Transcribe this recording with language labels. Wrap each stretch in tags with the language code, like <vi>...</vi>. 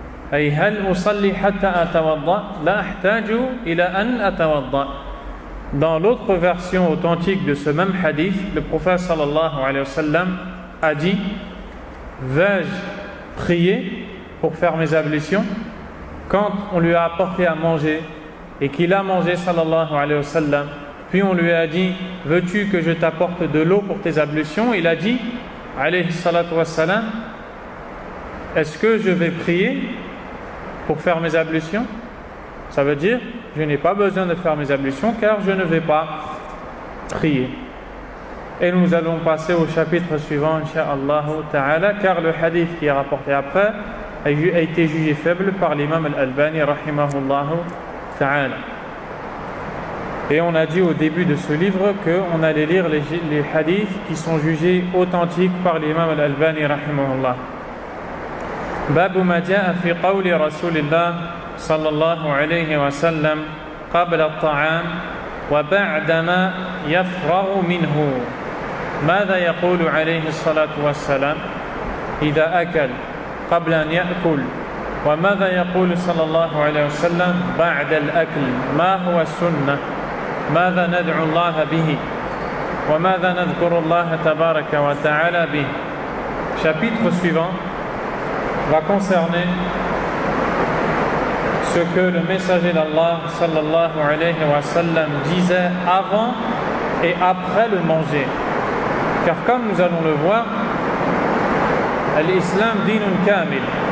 <ar>أي هل أصلي حتى أتوضأ لا أحتاج إلى أن أتوضأ.</ar> <fr>Dans l'autre version authentique de ce même hadith, le prophète sallallahu alayhi wa sallam a dit, vais-je prier pour faire mes ablutions? Quand on lui a apporté à manger et qu'il a mangé sallallahu alayhi wa sallam, puis on lui a dit, veux-tu que je t'apporte de l'eau pour tes ablutions? Il a dit alayhi salatu wa sallam, est-ce que je vais prier pour faire mes ablutions? Ça veut dire, je n'ai pas besoin de faire mes ablutions car je ne vais pas prier. Et nous allons passer au chapitre suivant, incha'Allahu ta'ala, car le hadith qui est rapporté après a été jugé faible par l'imam al-Albani, rahimahullahu ta'ala. Et on a dit au début de ce livre qu'on allait lire les hadiths qui sont jugés authentiques par l'imam al-Albani, rahimahullah.</fr> <ar>باب ما جاء في قول رسول الله صلى الله عليه وسلم قبل الطعام وبعدما يفرغ منه ماذا يقول عليه الصلاة والسلام إذا أكل قبل أن يأكل وماذا يقول صلى الله عليه وسلم بعد الأكل ما هو السنة ماذا ندعو الله به وماذا نذكر الله تبارك وتعالى به.</ar> <fr>Chapitre suivant va concerner ce que le messager d'Allah sallallahu alayhi wa sallam disait avant et après le manger. Car comme nous allons le voir, l'islam</fr> <ar>dinun kamil.</ar>